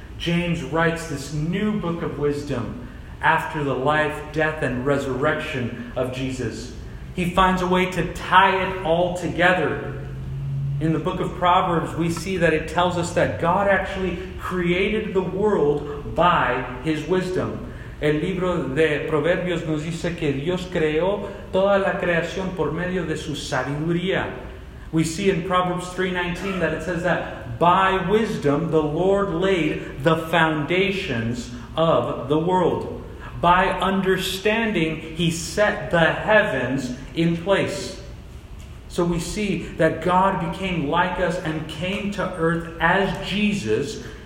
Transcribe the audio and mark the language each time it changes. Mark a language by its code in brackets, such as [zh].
[en] James writes this new book of wisdom after the life, death, and resurrection of Jesus. He finds a way to tie it all together. In the book of Proverbs, we see that it tells us that God actually created the world by His wisdom. [es] El libro de Proverbios nos dice que Dios creó toda la creación por medio de su sabiduría. [en] We see in Proverbs 3:19 that it says that by wisdom the Lord laid the foundations of the world. By understanding, He set the heavens in place. So we see that God became like us and came to earth as Jesus.